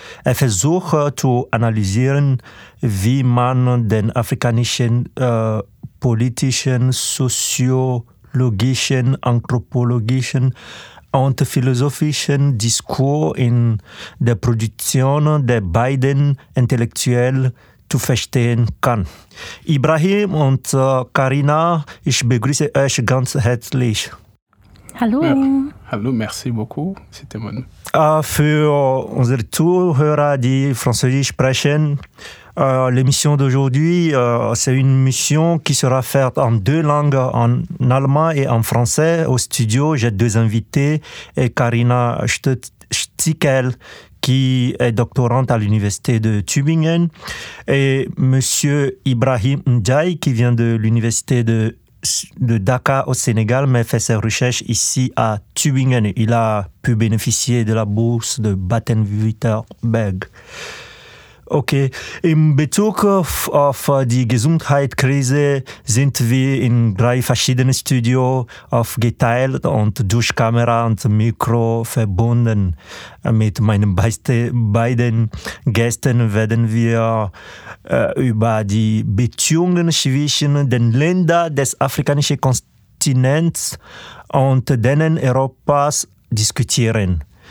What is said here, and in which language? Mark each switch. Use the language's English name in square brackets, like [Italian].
[German] Er versucht zu analysieren, wie man den afrikanischen politischen, soziologischen, anthropologischen und philosophischen Diskurs in der Produktion der beiden Intellektuellen zu verstehen kann. Ibrahim und Karina, ich begrüße euch ganz herzlich. Hallo. Ja. Hallo, [French] merci beaucoup. C'était bon. [German] Für unsere Zuhörer, die Französisch sprechen, [French] l'émission d'aujourd'hui, c'est une mission qui sera faite en deux langues, en allemand et en français. Au studio, j'ai deux invités et Karina Stickel, qui est doctorante à l'Université de Tübingen, et Monsieur Ibrahim Ndiaye, qui vient de l'Université de Dakar au Sénégal, mais fait ses recherches ici à Tübingen. Il a pu bénéficier de la bourse de Baden-Württemberg. Ok. [German] In Bezug auf die Gesundheitskrise sind wir in drei verschiedenen Studios aufgeteilt und durch Kamera und Mikro verbunden. Mit meinen beiden Gästen werden wir über die Beziehungen zwischen den Ländern des afrikanischen Kontinents und denen Europas diskutieren.